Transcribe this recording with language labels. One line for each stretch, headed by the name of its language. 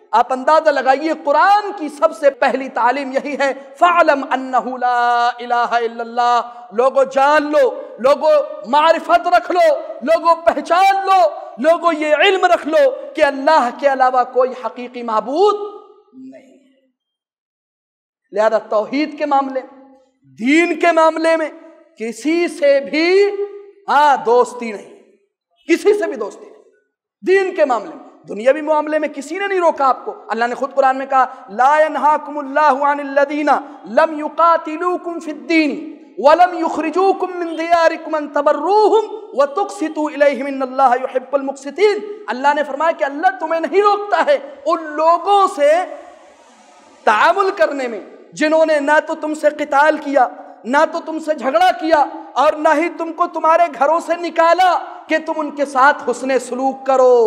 Urdu: آپ اندازہ لگائیے قرآن کی سب سے پہلی تعلیم یہی ہے,
Arabic: فَعْلَمْ أَنَّهُ لَا إِلَٰهَ إِلَّا اللَّهِ,
Urdu: لوگو جان لو, لوگو معرفت رکھ لو, لوگو پہچان لو, لوگو یہ علم رکھ لو کہ اللہ کے علاوہ کوئی حقیقی معبود نہیں. لہذا توحید کے معاملے, دین کے معاملے میں کسی سے بھی دوستی نہیں, کسی سے بھی دوستی نہیں. دین کے معاملے میں, دنیاوی معاملے میں کسی نے نہیں روکا آپ کو.
Arabic: اللہ نے خود قرآن میں کہا لا ينهاكم الله عن الذين لم يقاتلوكم في الدين ولم يخرجوكم من دياركم ان تبروهم وتقسطوا اليهم ان الله يحب المقسطين.
Urdu: اللہ نے فرمایا کہ اللہ تمہیں نہیں روکتا ہے ان لوگوں سے تعامل کرنے میں جنہوں نے نہ تو تم سے قتال کیا, نہ تو تم سے جھگڑا کیا, اور نہ ہی تم کو تمہارے گھروں سے نکالا کہ تم ان کے ساتھ حسن سلوک کرو.